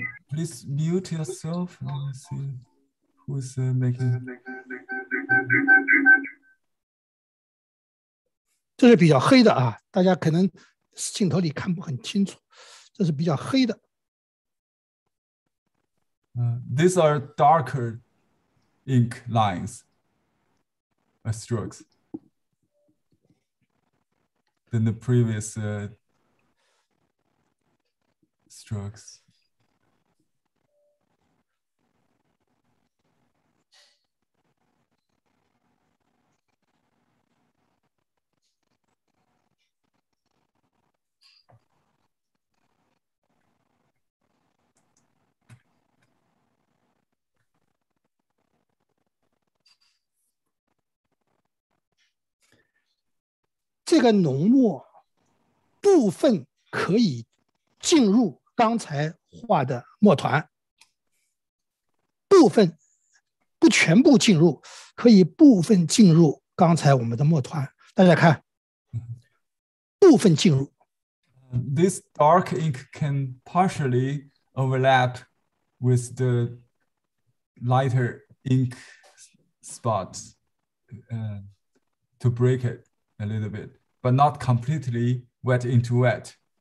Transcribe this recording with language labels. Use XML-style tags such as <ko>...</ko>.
<en>Please mute yourself and see who's making.</en> <zh>这是比较黑的啊，大家可能镜头里看不很清楚，这是比较黑的。</zh> <en>These are darker ink lines, strokes than the previous strokes.</en> <zh>这个浓墨部分可以进入刚才画的墨团，部分不全部进入，可以部分进入刚才我们的墨团。大家看，部分进入。</zh> <en>This dark ink can partially overlap with the lighter ink spots to break it a little bit, but not completely wet into wet.</en>